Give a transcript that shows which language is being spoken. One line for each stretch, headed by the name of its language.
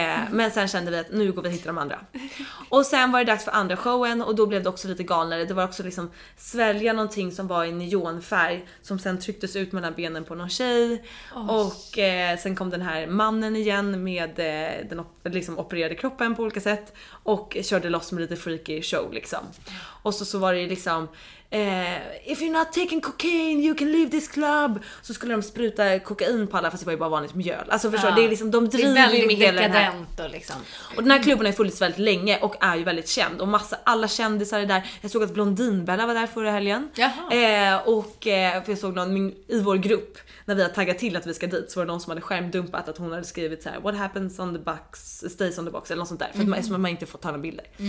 Swedish: Men sen kände vi att nu går vi hitta de andra. Och sen var det dags för andra showen, och då blev det också lite galnare. Det var också liksom svälja någonting som var i neonfärg, som sen trycktes ut mellan benen på någon tjej. Och sen kom den här mannen igen med den liksom opererade kroppen på olika sätt, och körde loss med lite freaky show liksom. Och så var det liksom,
English: if you're not taking cocaine you can leave this club.
Swedish: Så skulle de spruta kokain på alla, fast det var ju bara vanligt mjöl. Alltså förstår, det är liksom, de driver väldigt med hela den här. Och, liksom. Och den här klubben är fullt väldigt länge och är ju väldigt känd, och massa alla kändisar är där. Jag såg att Blondinbella var där förra helgen. Och för jag såg någon i vår grupp, när vi har taggat till att vi ska dit, så var det någon som hade skärmdumpat att hon hade skrivit så här:
English: what happens on the box
Swedish: stays on the box, eller något sånt där. Mm-hmm. För att man inte får ta några bilder.